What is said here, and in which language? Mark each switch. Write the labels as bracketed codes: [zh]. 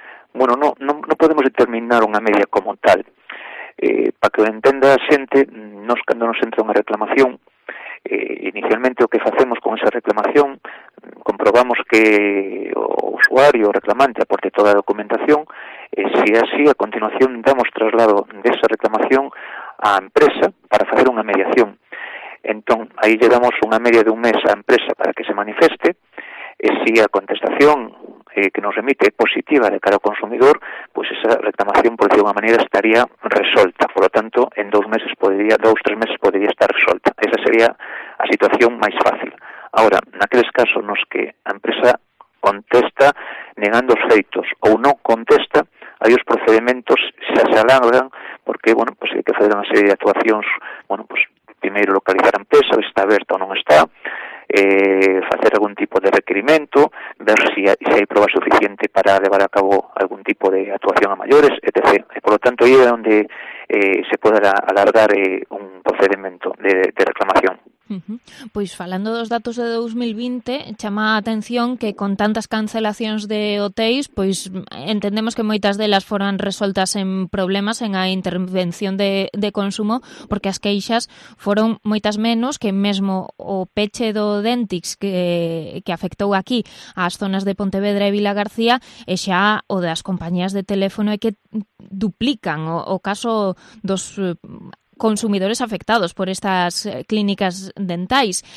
[gl] Bueno, non podemos determinar unha media como tal. Para que o entenda a xente, nos cando nos entra unha reclamación, inicialmente o que facemos con esa reclamación, comprobamos que o usuario, o reclamante, aporte toda a documentación, se así, a continuación, damos traslado desa reclamación á empresa para facer unha mediación. Entón, aí lle damos unha media de un mes á empresa para que se manifeste, e se a contestación que nos remite é positiva de cara ao consumidor, pois esa reclamación, por decir de unha maneira, estaría resolta. [es] Por lo tanto, [gl] en dous, tres meses, podría estar resolta. Esa sería a situación máis fácil. Ahora, naqueles casos nos que a empresa contesta negando os feitos ou non contesta, aí os procedimentos se alargan porque, bueno, pues hai que facer unha serie de actuacións, bueno, pues primeiro localizar a empresa, ver se está aberta ou non está, [es] hacer algún tipo de requerimiento, ver si hay pruebas suficientes para llevar a cabo algún tipo de actuación a mayores, etc. Por lo tanto, ahí es donde se puede alargar un procedimiento de reclamación. Uh-huh. [gl] Pois falando dos datos de 2020, chama a atención que con tantas cancelacións de hotéis, pois entendemos que moitas delas foran resoltas en problemas en a intervención de consumo, porque as queixas foron moitas menos que mesmo o peche do Dentix que afectou aquí ás zonas de Pontevedra e Vila García, e xa o das compañías de teléfono é que duplican o caso dos consumidores afectados por estas clínicas dentais.